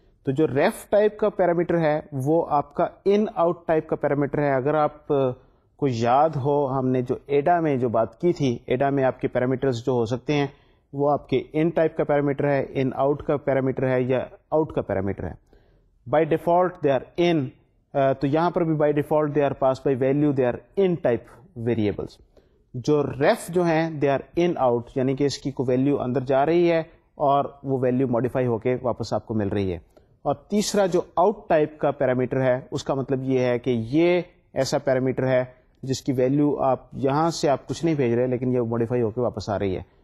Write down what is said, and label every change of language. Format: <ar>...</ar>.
<ur>تو جو ref type کا parameter ہے وہ آپ کا in out type کا parameter ہے. اگر آپ کو یاد ہو ہم نے جو ایڈا میں جو بات کی تھی, ایڈا میں آپ کے parameters جو ہو سکتے ہیں وہ آپ کے ان ٹائپ کا پیرامیٹر ہے, ان آؤٹ کا پیرامیٹر ہے یا آؤٹ کا پیرامیٹر ہے.</ur> <en>by default they are in,</en> <ur>تو یہاں پر بھی</ur> <en>By default they are pass by value, they are in type variables.</en> <ur>جو ریف جو ہیں</ur> <en>they are in out,</en> <ur>یعنی کہ اس کی کوئی ویلیو اندر جا رہی ہے اور وہ ویلیو ماڈیفائی ہو کے واپس آپ کو مل رہی ہے. اور تیسرا جو آؤٹ ٹائپ کا پیرامیٹر ہے اس کا مطلب یہ ہے کہ یہ ایسا پیرامیٹر ہے جس کی ویلیو آپ یہاں سے آپ کچھ نہیں بھیج رہے لیکن یہ ماڈیفائی ہو کے واپس آ رہی ہے.</ur>